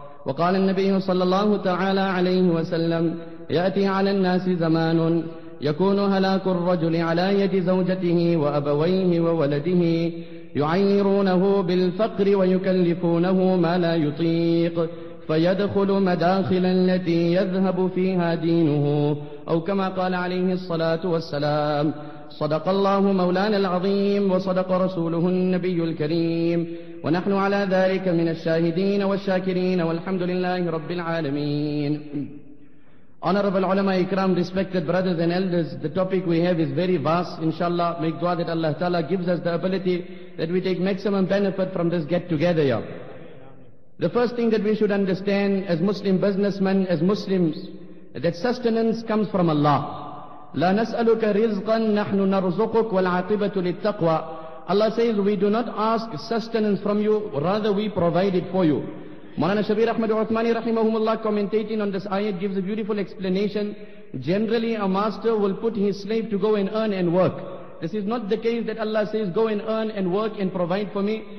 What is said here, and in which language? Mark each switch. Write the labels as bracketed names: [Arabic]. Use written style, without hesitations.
[Arabic] وقال النبي صلى الله تعالى عليه وسلم: يأتي على الناس زمان يكون هلاك الرجل على يد زوجته وأبويه وولده، يعيرونه بالفقر ويكلفونه ما لا يطيق، فيدخل مداخل التي يذهب فيها دينه، أو كما قال عليه الصلاة والسلام. صدق الله مولانا العظيم وصدق رسوله النبي الكريم، ونحن على ذلك من الشاهدين والشاكرين، والحمد لله رب العالمين. [English] Honorable ulama ikram, respected brothers and elders, the topic we have is very vast. Inshallah, make dua that Allah Ta'ala gives us the ability that we take maximum benefit from this get together. Yeah. The first thing that we should understand as Muslim businessmen, as Muslims, that sustenance comes from Allah. [Arabic] لا نسألك رزقا نحن نرزقك والعاقبة للتقوى. [English] Allah says we do not ask sustenance from you, rather we provide it for you. Maulana Shabir Ahmad Uthmani rahimahumullah, commentating on this ayat, gives a beautiful explanation. Generally a master will put his slave to go and earn and work. This is not the case that Allah says go and earn and work and provide for me.